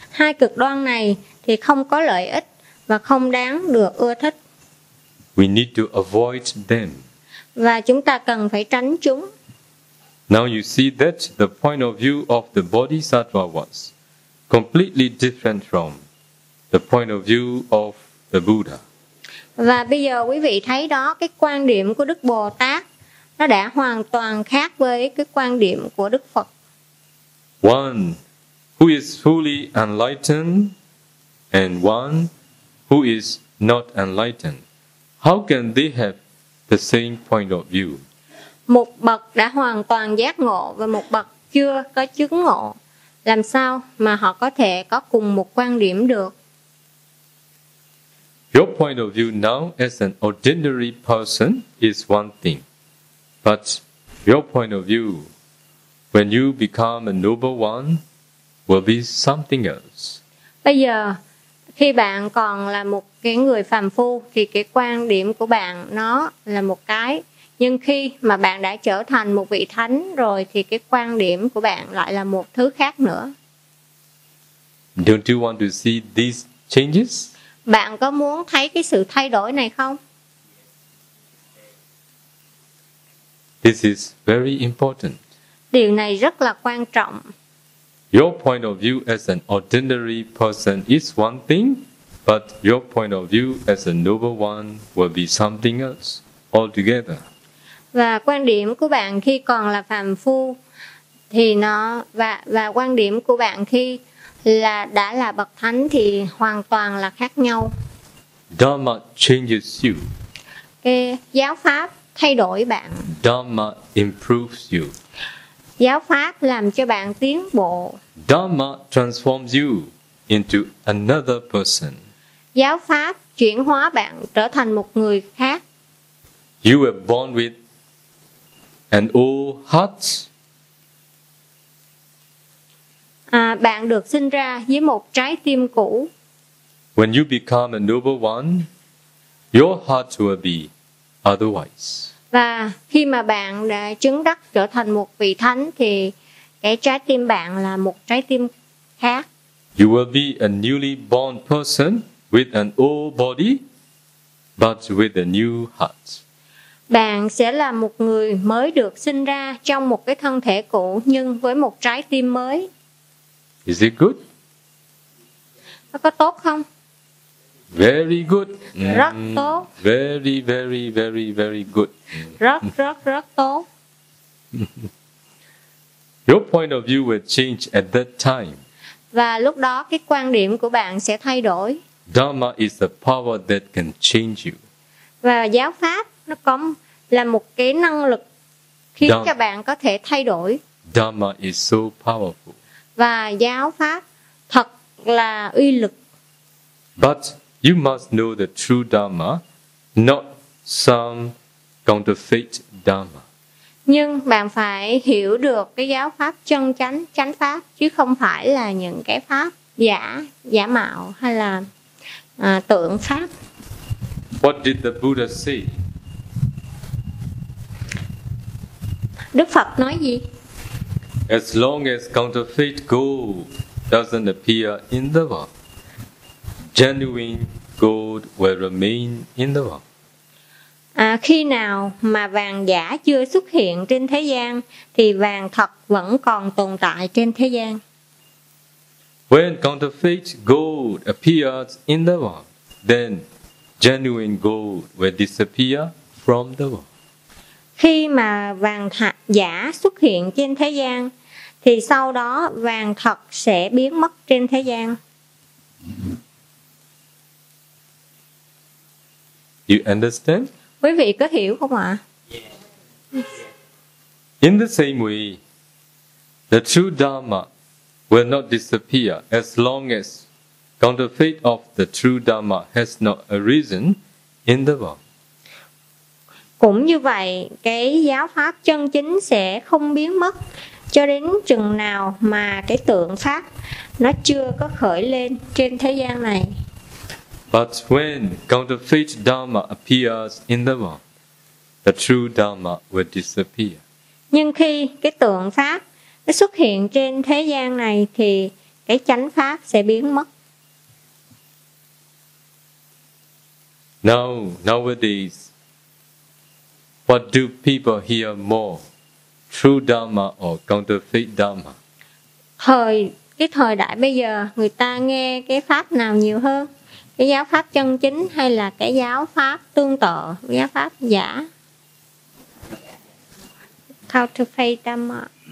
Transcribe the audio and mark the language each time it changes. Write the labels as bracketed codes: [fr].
[vi] Hai cực đoan này thì không có lợi ích và không đáng được ưa thích. [en] We need to avoid them. [vi] Và chúng ta cần phải tránh chúng. [en] Now you see that the point of view of the Bodhisattva was completely different from the point of view of the Buddha. [vi] Và bây giờ quý vị thấy đó, cái quan điểm của Đức Bồ Tát nó đã hoàn toàn khác với cái quan điểm của Đức Phật. [en] One who is fully enlightened and one who is not enlightened, how can they have the same point of view? [vi] Một bậc đã hoàn toàn giác ngộ và một bậc chưa có chứng ngộ, làm sao mà họ có thể có cùng một quan điểm được? [en] Your point of view now as an ordinary person is one thing, but your point of view when you become a noble one will be something else. [vi] Bây giờ khi bạn còn là một cái người phàm phu thì cái quan điểm của bạn nó là một cái, nhưng khi mà bạn đã trở thành một vị thánh rồi thì cái quan điểm của bạn lại là một thứ khác nữa. [en] Don't you want to see these changes? [vi] Bạn có muốn thấy cái sự thay đổi này không? [en] This is very important. [vi] Điều này rất là quan trọng. [en] Your point of view as an ordinary person is one thing, but your point of view as a noble one will be something else altogether. [vi] Và quan điểm của bạn khi còn là phàm phu thì nó và quan điểm của bạn khi là đã là bậc thánh thì hoàn toàn là khác nhau. [en] Dharma changes you. [vi] Cái giáo pháp thay đổi bạn. [en] Dharma improves you. [vi] Giáo pháp làm cho bạn tiến bộ. [en] Dharma transforms you into another person. [vi] Giáo pháp chuyển hóa bạn trở thành một người khác. [en] You were born with an old heart. [vi] Bạn được sinh ra với một trái tim cũ. [en] When you become a noble one, your heart will be otherwise. [vi] Và khi mà bạn đã chứng đắc trở thành một vị thánh thì cái trái tim bạn là một trái tim khác. [en] You will be a newly born person with an old body. but with a new heart. [vi] Bạn sẽ là một người mới được sinh ra trong một cái thân thể cũ nhưng với một trái tim mới. [en] Is it good? [vi] Nó có tốt không? [en] Very good. [vi] Rất tốt. [en] Very, very, very, very good. [vi] Rất, rất, rất tốt. [en] Your point of view will change at that time. [vi] Và lúc đó cái quan điểm của bạn sẽ thay đổi. [en] Dharma is the power that can change you. [vi] Và giáo pháp nó có là một cái năng lực khiến cho bạn có thể thay đổi. [en] Dharma is so powerful. [vi] Và giáo pháp thật là uy lực. [en] But you must know the true Dharma, not some counterfeit Dharma. [vi] Nhưng bạn phải hiểu được cái giáo pháp chân chánh, chánh pháp, chứ không phải là những cái pháp giả, giả mạo hay là tượng pháp. [en] What did the Buddha say? [vi] Đức Phật nói gì? [en] As long as counterfeit gold doesn't appear in the world, genuine gold will remain in the world. [vi] À, khi nào mà vàng giả chưa xuất hiện trên thế gian thì vàng thật vẫn còn tồn tại trên thế gian. [en] When counterfeit gold appears in the world, then genuine gold will disappear from the world. [vi] Khi mà vàng thật giả xuất hiện trên thế gian thì sau đó vàng thật sẽ biến mất trên thế gian. [en] You understand? [vi] Quý vị có hiểu không ạ? [en] In the same way, the true Dharma will not disappear as long as counterfeit of the true Dharma has not arisen in the world. [vi] Cũng như vậy, cái giáo pháp chân chính sẽ không biến mất cho đến chừng nào mà cái tượng pháp nó chưa có khởi lên trên thế gian này. [en] But when counterfeit Dharma appears in the world, the true Dharma will disappear. [vi] Nhưng khi cái tượng pháp nó xuất hiện trên thế gian này thì cái chánh pháp sẽ biến mất. [en] Now, nowadays, what do people hear more, true Dharma or counterfeit Dharma? [vi] Cái thời đại bây giờ, người ta nghe cái pháp nào nhiều hơn? Cái giáo pháp chân chính hay là cái giáo pháp tương tự, giáo pháp giả? [en] Counterfeit Dharma.